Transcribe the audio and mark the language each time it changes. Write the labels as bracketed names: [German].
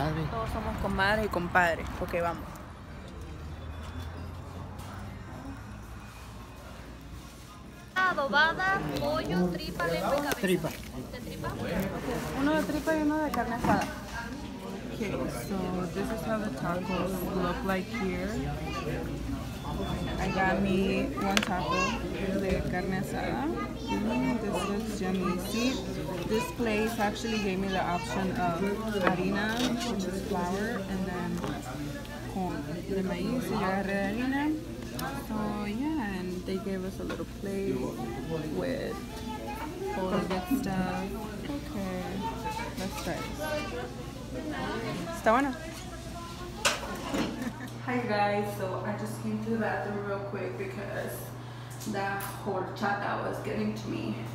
[Spanish] Todos somos comadres y compadres. Ok, vamos. Adobada, pollo, tripa, lengua y cabeza. ¿Tripa? Uno de tripa y uno de carne asada. [English] Okay, so this is how the tacos look like here. I got me one taco de carne asada. This is yummy. See, this place actually gave me the option of harina, which is flour, and then corn. [Spanish] De maíz y agarré de harina. [English] So yeah, and they gave us a little plate with all the good stuff. Okay, let's try. [Spanish] Está bueno. [English] Hi guys, so I just came to the bathroom real quick because that horchata was getting to me.